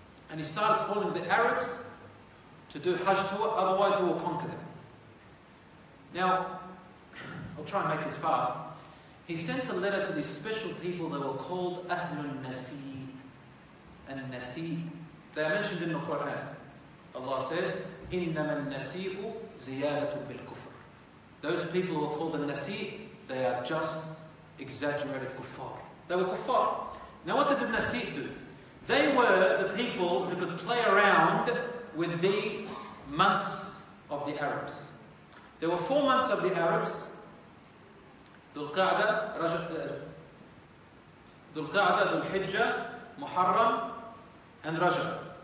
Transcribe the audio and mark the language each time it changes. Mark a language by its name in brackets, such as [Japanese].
[English] And he started calling the Arabs to do Hajj to it, otherwise he will conquer them. Now, I'll try and make this fast. He sent a letter to these special people that were called Ahlul Nasib. And Nasib, they are mentioned in the Quran. Allah says, [Arabic] إِنَّمَا النَّسِيءُ زِيَادَةٌ بِالْكُفْرِ. [English] Those people who are called the Nasib, they are just exaggerated kuffar. They were kuffar. Now what did the Nasib do? They were the people who could play around with the months of the Arabs. There were 4 months of the Arabs, Dhul-Qa'dah, Dhul-Hijjah, Muharram, and Rajab.